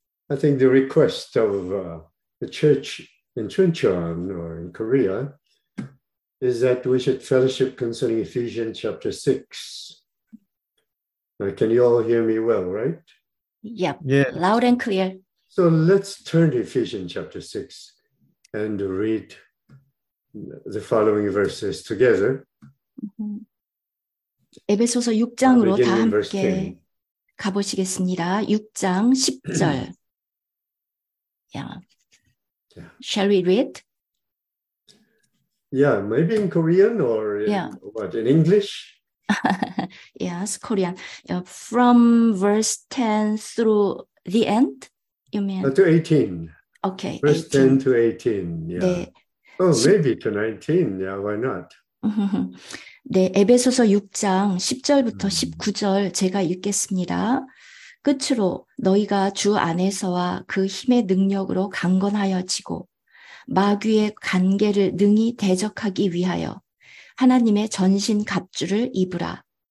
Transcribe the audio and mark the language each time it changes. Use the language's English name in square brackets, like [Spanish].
[English] I think the request of the church in Chuncheon or in Korea is that we should fellowship concerning Ephesians chapter 6. Now, can you all hear me well, right? Yep. Yeah. Loud and clear. So let's turn to Ephesians chapter 6 and read the following verses together. Mm-hmm. [Korean] 에베소서 6장으로 다 함께 가보시겠습니다. 6장 10절. [English] Yeah. Shall we read? Yeah, maybe in Korean or in, what, in English? Yes, Korean. From verse 10 through the end, you mean? To 18. Okay, verse 18. 10 to 18, yeah. 네. Oh, maybe to 19, yeah, why not? [Korean] 네, 에베소서 6장 10절부터 19절 제가 읽겠습니다. 끝으로 너희가 주 안에서와 그 힘의 능력으로 강건하여지고 마귀의 간계를 능히 대적하기 위하여 하나님의 전신 갑주를 입으라.